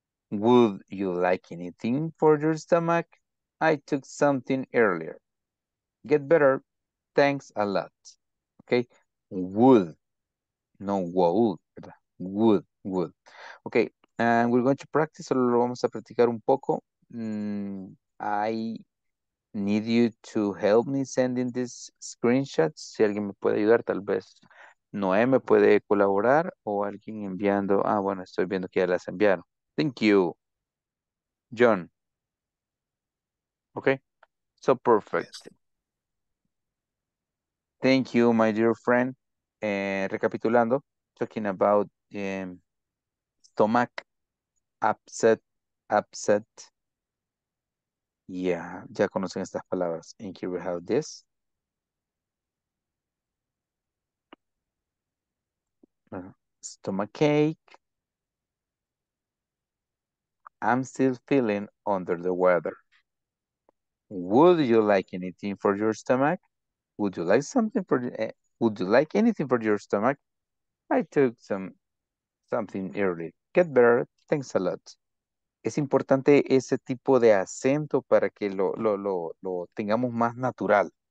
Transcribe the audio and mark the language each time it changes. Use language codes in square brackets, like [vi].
[en] Would you like anything for your stomach? I took something earlier. Get better. Thanks a lot. Okay. Would. No, would. Would. Okay. And we're going to practice. [es] Solo lo vamos a practicar un poco. [en] I need you to help me sending these screenshots. [es] Si alguien me puede ayudar, tal vez Noé me puede colaborar o alguien enviando. Ah, bueno, estoy viendo que ya las enviaron. [en] Thank you, John. Okay, so perfect. Thank you, my dear friend. [es] Recapitulando, [en] talking about stomach upset. [es] Yeah, ya conocen estas palabras. [en] And here we have this. Stomachache. I'm still feeling under the weather. Would you like anything for your stomach? Would you like something for would you like anything for your stomach? I took something early. Get better. Thanks a lot. [es] Es importante ese tipo de acento para que lo tengamos más natural.